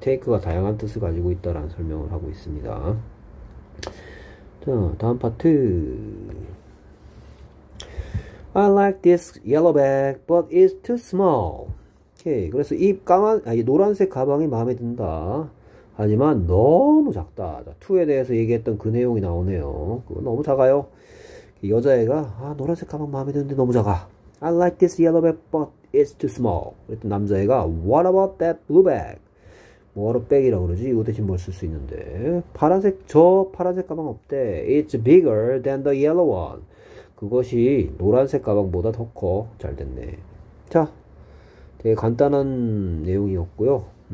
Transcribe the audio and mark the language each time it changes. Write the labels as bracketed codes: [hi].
[ko] take가 다양한 뜻을 가지고 있다라는 설명을 하고 있습니다. 자, 다음 파트. [en] I like this yellow bag, but it's too small. 오케이. [ko] 그래서 이 까만, 아니, 노란색 가방이 마음에 든다. 하지만 너무 작다. 자, 2에 대해서 얘기했던 그 내용이 나오네요. 그거 너무 작아요. 여자애가, 아, 노란색 가방 마음에 드는데 너무 작아. [en] I like this yellow bag, but it's too small. [ko] 그랬던 남자애가, [en] What about that blue bag? [ko] 뭐하러 백이라고 그러지? 이거 대신 뭘쓸수 있는데. 파란색, 저 파란색 가방 없대. [en] It's bigger than the yellow one. [ko] 그것이 노란색 가방보다 더 커. 잘 됐네. 자, 되게 간단한 내용이었고요.